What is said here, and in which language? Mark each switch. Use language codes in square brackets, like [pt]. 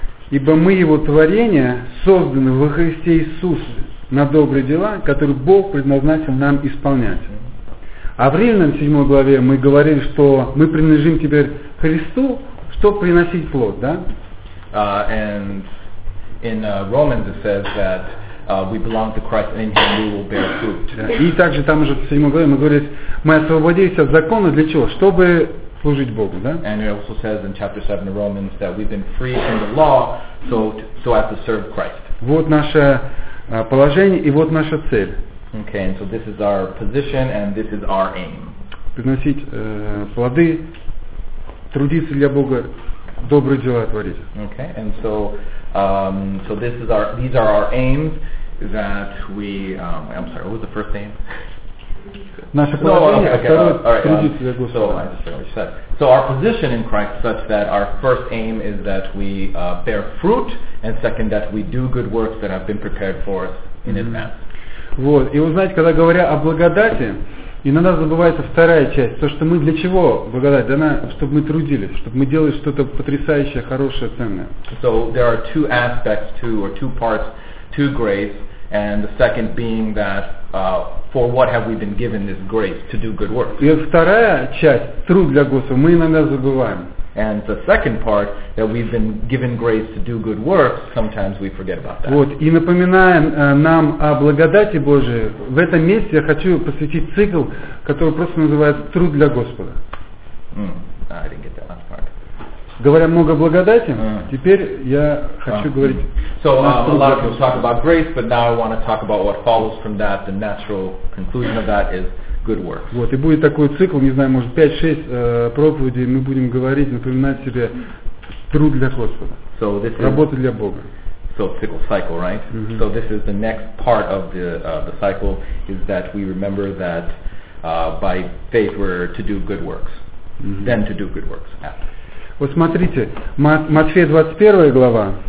[ru] Ибо мы его творение созданы во Христе Иисусе на добрые дела, которые Бог предназначил нам исполнять. А в Римлянам 7 главе мы говорили, что мы принадлежим теперь Христу, чтобы приносить плод, да? [en] And in Romans it says that we belong to Christ and in Him we will bear fruit. [ru] И также там же в 7 главе мы говорили, мы освободились от закона для чего? Чтобы служить Богу, да? [en] And it also says in chapter 7 of Romans that we've been free from the law so as to serve Christ. [ru] Вот наша положение, и вот наша цель. [en] Okay, and so this is our position and this is our aim. [ru] Приносить плоды, трудиться для Бога, добрые дела творить. [en] Okay, and so these are our aims that we I'm sorry, what was the first aim? [ru] Наше положение, трудиться для Господа. [en] So, I just said. So our position in Christ such that our first aim is that we bear fruit, and second that we do good works that have been prepared for us in advance. [ru] Вот. И вы знаете, когда говоря о благодати, иногда забывается вторая часть, то, что мы для чего благодать дана, чтобы мы трудились, чтобы мы делали что-то потрясающее, хорошее, ценное. [en] So there are two aspects to, or two parts to grace, and the second being that for what have we been given this grace to do good works. [ru] И вторая часть, труд для Господа, мы иногда забываем. [en] And the second part, that we've been given grace to do good works, sometimes we forget about that. [ru] Вот, и напоминая нам о благодати Божией, в этом месте я хочу посвятить цикл, который просто называется «Труд для Господа». [en] I didn't get that last part. [ru] Говоря много о благодати, теперь я хочу говорить. [en] So a lot of people talk about grace, but now I want to talk about what follows from that. The natural conclusion of that is good works. [ru] Вот, и будет такой цикл, не знаю, может 5-6 проповедей, мы будем говорить, напоминать себе труд для Господа. [en] So this [ru] работа для Бога. [en] So cycle, right? Mm-hmm. So this is the next part of the cycle is that we remember that by faith we're to do good works. Mm-hmm. Then to do good works. After. [ru] Вот смотрите, Матфея 21 глава.